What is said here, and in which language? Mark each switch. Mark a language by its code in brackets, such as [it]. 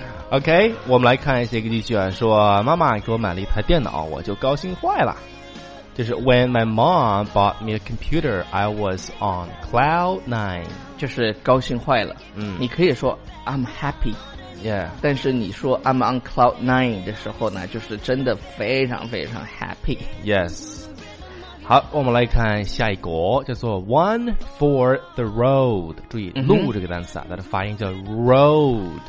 [zh] OK， 我们来看一些例句啊。说妈妈给我买了一台电脑，我就高兴坏了。就是 [en] When my mom bought me a computer, I was on cloud nine。 [zh] 就是高兴坏了。嗯， [en] 你可以说 I'm happy。 Yeah。 [zh] 但是你说 [en] I'm on cloud nine [zh] 的时候呢，就是真的非常非常 happy。 [en] Yes。 [zh] 好我们来看下一国叫做 [en] one for the road [zh] 注意路这个单词啊它的发音叫 road